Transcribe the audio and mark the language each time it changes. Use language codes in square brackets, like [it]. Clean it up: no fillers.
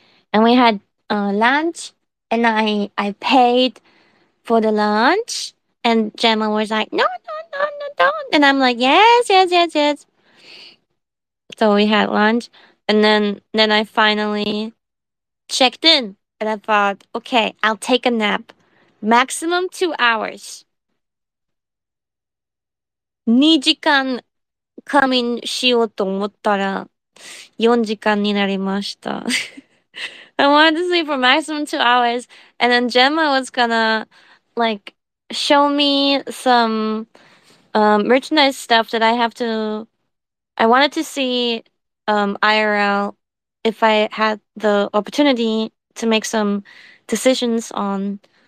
[en] And we had lunch, and I paid for the lunch, and Jenma was like, no, don't. And I'm like, yes. So we had lunch, and then I finally checked in, and I thought, okay, I'll take a nap. Maximum 2 hours. [ja] 2時間仮眠しようと思ったら4時間になりました。 [en] I wanted to sleep for maximum 2 hours. And then Gemma was gonna, like, show me some merchandise stuff that I wanted to see IRL if I had the opportunity to make some decisions on.